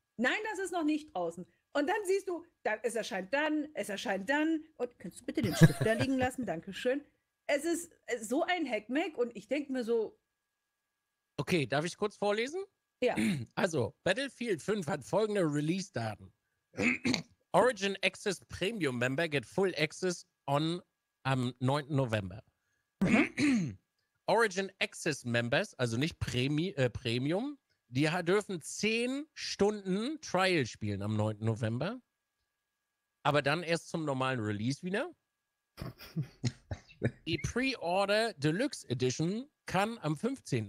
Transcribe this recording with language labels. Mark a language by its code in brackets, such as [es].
[de] Nein, das ist noch nicht draußen. Und dann siehst du, es erscheint dann. Und könntest du bitte den Stift da liegen lassen? Dankeschön. Es ist so ein Hackmeck und ich denke mir so. Okay, darf ich kurz vorlesen? Ja. Also, Battlefield 5 hat folgende Release-Daten. [en] Origin Access Premium Member get full access [de] am 9. November. Origin Access Members, also nicht Premium, die dürfen 10 Stunden Trial spielen am 9. November. Aber dann erst zum normalen Release wieder. Die Pre-Order Deluxe Edition kann am 15.